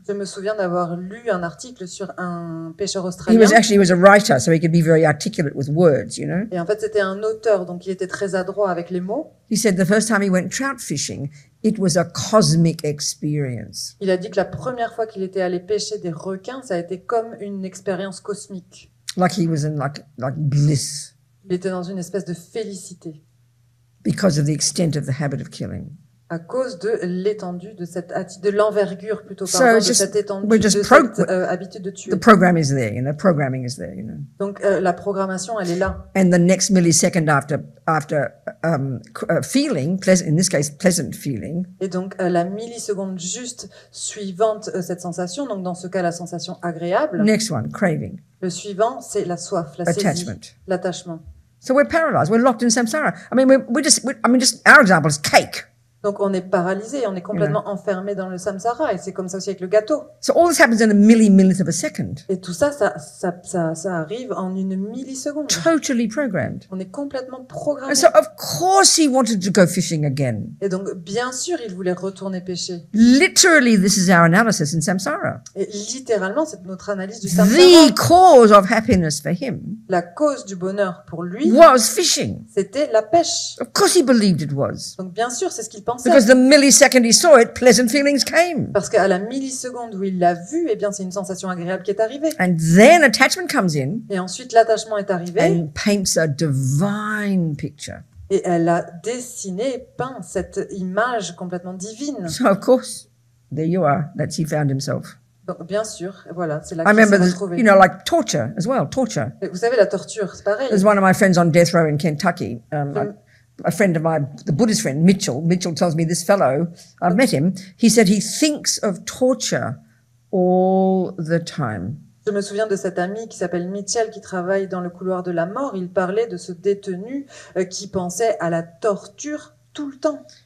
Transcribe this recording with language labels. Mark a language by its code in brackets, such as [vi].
[fr] Je me souviens d'avoir lu un article sur un pêcheur australien. [en] He was a writer, so he could be very articulate with words, you know. [fr] Et en fait, c'était un auteur, donc il était très adroit avec les mots. [en] He said the first time he went trout fishing, it was a cosmic experience. [fr] Il a dit que la première fois qu'il était allé pêcher des requins, ça a été comme une expérience cosmique. [en] Like he was in like bliss. [fr] Il était dans une espèce de félicité. [en] Because of the extent of the habit of killing. [fr] À cause de l'étendue de cette de l'envergure plutôt pardon, so de just, cette étendue de cette habitude de tuer. [en] The program is there, you know. Programming is there, you know. [fr] Donc la programmation, elle est là. [en] And the next millisecond after feeling pleasant, in this case pleasant feeling. [fr] Et donc la milliseconde juste suivante cette sensation, donc dans ce cas la sensation agréable. [en] Next one, craving. [fr] Le suivant, c'est la soif, la [en] attachment. [fr] Saisie, l'attachement. [en] So we're paralyzed. We're locked in samsara. I mean, we're just our example is cake. [fr] Donc on est paralysé, on est complètement enfermé dans le samsara, et c'est comme ça aussi avec le gâteau. [en] So all this happens in a millionth of a second. [fr] Et tout ça, ça arrive en une milliseconde. [en] Totally programmed. [fr] On est complètement programmé. [en] And so of course he wanted to go fishing again. [fr] Et donc bien sûr, il voulait retourner pêcher. [en] Literally, this is our analysis in samsara. [fr] Et littéralement, c'est notre analyse du samsara. [en] The cause of happiness for him. [fr] La cause du bonheur pour lui. [en] Was fishing. [fr] C'était la pêche. [en] Of course he believed it was. [fr] Donc bien sûr, c'est ce qu'il pensait. [en] Because the millisecond he saw it, pleasant feelings came. [fr] Parce qu'à la milliseconde où il l'a vu, eh bien, c'est une sensation agréable qui est arrivée. [en] And then attachment comes in. [fr] Et ensuite, l'attachement est arrivé. [en] And paints a divine picture. [fr] Et elle a dessiné, peint cette image complètement divine. [en] So of course, there you are. That's he found himself. [fr] Donc, bien sûr, voilà, c'est là qu'il s'est retrouvé. [en] You know, like torture as well, torture. [fr] Et vous savez, la torture, c'est pareil. [en] There's one of my friends on death row in Kentucky. A friend of my, the Buddhist friend, Mitchell. Mitchell tells me this fellow, I've met him, he said he thinks of torture all the time. [fr] Je me souviens de cet ami qui s'appelle Mitchell, qui travaille dans le couloir de la mort. Il parlait de ce détenu qui pensait à la torture tout le temps.